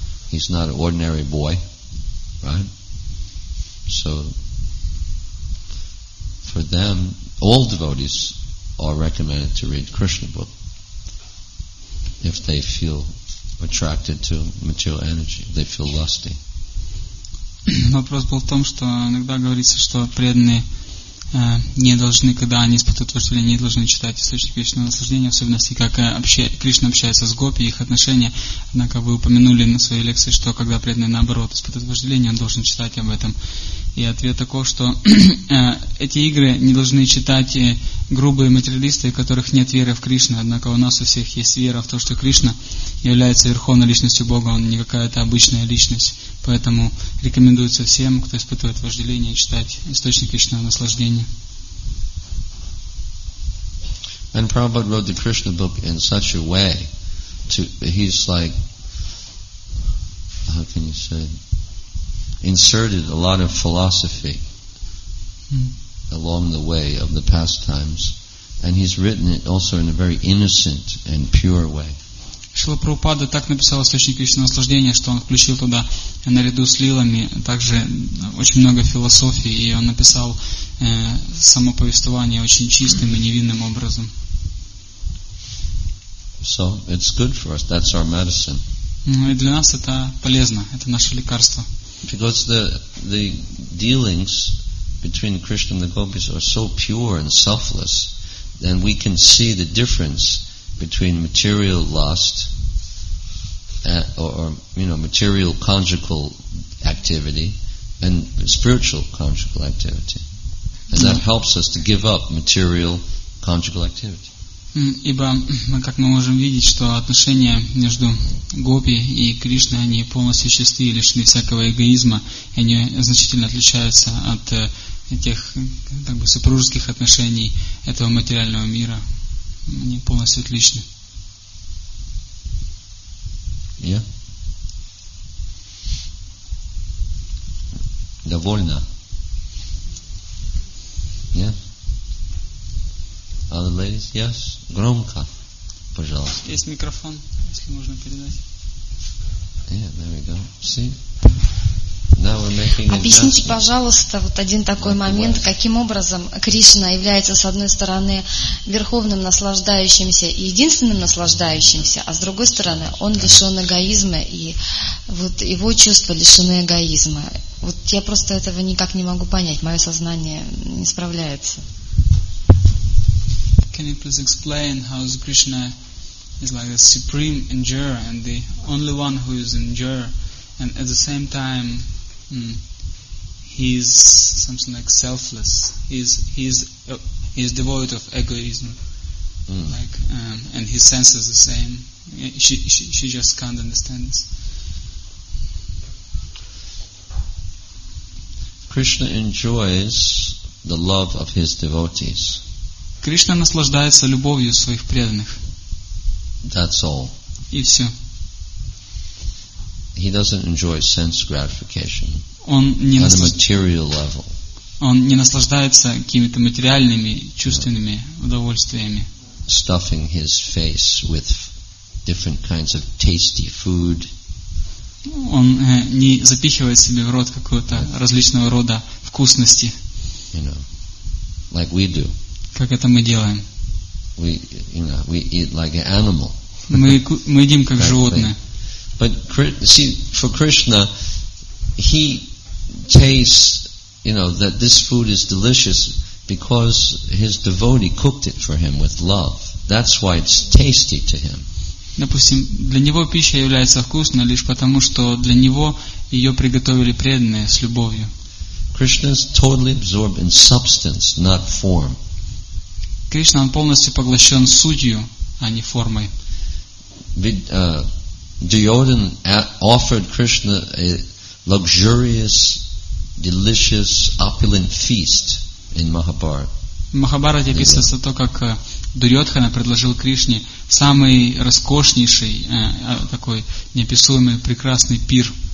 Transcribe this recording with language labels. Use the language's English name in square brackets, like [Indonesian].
[English] He's not an ordinary boy, right? So, for them, all devotees are recommended to read Krishna book. If they feel attracted to material energy, they feel lusty. [Russian] Вопрос был в том, что иногда говорится, что преданные не должны, когда они испытывают вожделение, не должны читать источник вечного наслаждения, в особенности, как Кришна общается с гопи, их отношения. Однако вы упомянули на своей лекции, что когда преданный, наоборот, испытывает вожделение, он должен читать об этом. И ответ такой, что эти игры не должны читать грубые материалисты, у которых нет веры в Кришну. Однако у нас у всех есть вера в то, что Кришна является верховной личностью Бога, он не какая-то обычная личность. Поэтому рекомендуется всем, кто испытывает вожделение, читать источник вечного наслаждения. [English] And Prabhupada wrote the Krishna book in such a way to, he's like, how can you say, inserted a lot of philosophy along the way of the pastimes, and he's written it also in a very innocent and pure way. [Russian] Шрила Прабхупада так написал источник вечного наслаждения, что он включил туда наряду с лилами также очень много философии, и он написал самоповествование очень чистым и невинным образом. [English] So it's good for us. That's our medicine. [Russian] Ну и для нас это полезно. Это наше лекарство. [English] Because the dealings between Krishna and the gopis are so pure and selfless, then we can see the difference between material lust material conjugal activity and spiritual conjugal activity. And that helps us to give up material conjugal activity. [Russian] Ибо, как мы можем видеть, что отношения между гопи и Кришной, они полностью чисты и лишены всякого эгоизма, и они значительно отличаются от тех, как бы, супружеских отношений этого материального мира. Они полностью отличны. [English] Yeah. [Russian] Довольно. [English] Yeah. Other ladies? Yes. [Russian] Громко, пожалуйста. Есть микрофон, если можно передать. [English] Yeah, there we go. See? Now we're making adjustments. [Russian] Объясните, пожалуйста, вот один такой момент, каким образом Кришна является, с одной стороны, верховным наслаждающимся и единственным наслаждающимся, а с другой стороны, он лишен эгоизма, и вот его чувства лишены эгоизма. Вот я просто этого никак не могу понять, мое сознание не справляется. [English] Can you please explain how Krishna is like a supreme enjoyer and the only one who is enjoyer, and at the same time he is something like selfless, he is devoid of egoism, and his senses are the same. She just can't understand this. Krishna enjoys the love of his devotees. [Russian] Кришна наслаждается любовью своих преданных. [English] That's all. [Russian] И все. [English] He doesn't enjoy sense gratification. [Russian] Он не [English] on a material level. [Russian] Он не наслаждается какими-то материальными, чувственными удовольствиями. [English] Stuffing his face with different kinds of tasty food. [Russian] Он не запихивает себе в рот какого-то различного рода вкусности. [English] You know, like we do. [Russian] Как это мы делаем? [English] We eat like an animal. [Russian] Мы едим как животное. [English] But see, for Krishna, he tastes, you know, that this food is delicious because his devotee cooked it for him with love. That's why it's tasty to him. [Russian] Допустим, для него пища является вкусной лишь потому, что для него ее приготовили преданные с любовью. [English] Krishna is totally absorbed in substance, not form. [Russian] Кришна, он полностью поглощен сутью, а не формой. [English] Duryodhan offered Krishna a luxurious, delicious, opulent feast in Mahabharata. [Russian] Махабхарате описывается то, как Дурьотхана предложил Кришне самый роскошнейший, такой неописуемый, прекрасный пир.